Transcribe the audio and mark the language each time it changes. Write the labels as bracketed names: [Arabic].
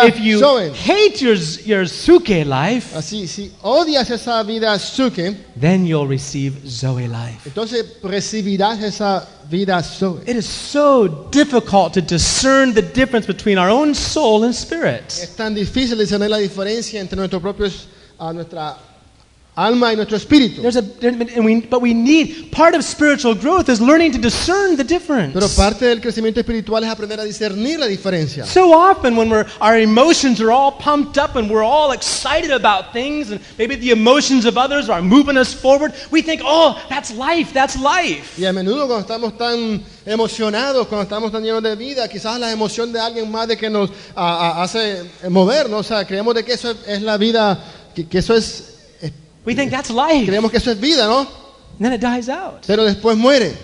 [English] Zoe. If you [Spanish] Zoe. [English] Hate your psuche life, [Spanish] así, si odias esa vida psuche, [English] then you'll receive Zoe life. [Spanish] Entonces recibirás esa vida Zoe. [English] It is so difficult to discern the difference between our own soul and spirit. [Spanish] Es tan difícil discernir la diferencia entre nuestros propios a nuestra alma y nuestro espíritu. [English] But we need, part of spiritual growth is learning to discern the difference. [Spanish] Pero parte del crecimiento espiritual es aprender a discernir la diferencia. [English] So often when our emotions are all pumped up and we're all excited about things and maybe the emotions of others are moving us forward, we think, oh, that's life, that's life. [Spanish] Y a menudo cuando estamos tan emocionados, cuando estamos tan llenos de vida, quizás la emoción de alguien más de que nos hace mover, ¿no? O sea, creemos de que eso es la vida. Que eso es, [English] we think that's life. [Spanish] Creemos que eso es vida, ¿no? [English] And then it dies out. [Spanish] Pero después muere.